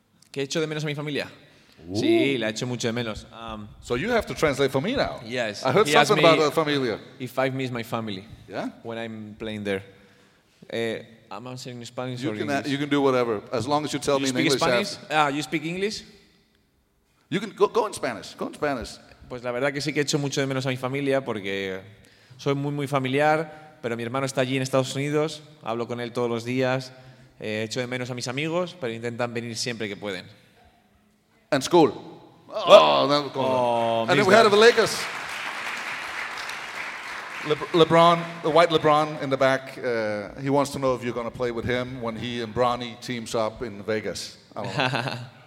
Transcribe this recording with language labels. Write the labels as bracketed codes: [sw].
[es] ¿Qué he hecho de menos a mi familia? Sí, la he hecho mucho de menos. [en] So you have to translate for me now. Yes. I heard something about the familia. If I miss my family. Yeah. When I'm playing there. I'm answering in Spanish you or can English? You can do whatever. As long as you tell you me in English. You speak Spanish? You speak English? You can go in Spanish. Go in Spanish. [es] Pues la verdad que sí que he hecho mucho de menos a mi familia porque soy muy, muy familiar, pero mi hermano está allí en Estados Unidos, hablo con él todos los días, echo de menos a mis amigos, pero intentan venir siempre que pueden. [en] And school. Oh, and then we had the Lakers. LeBron, the white LeBron in the back, he wants to know if you're going to play with him when he and Bronny teams up in Vegas. I don't know.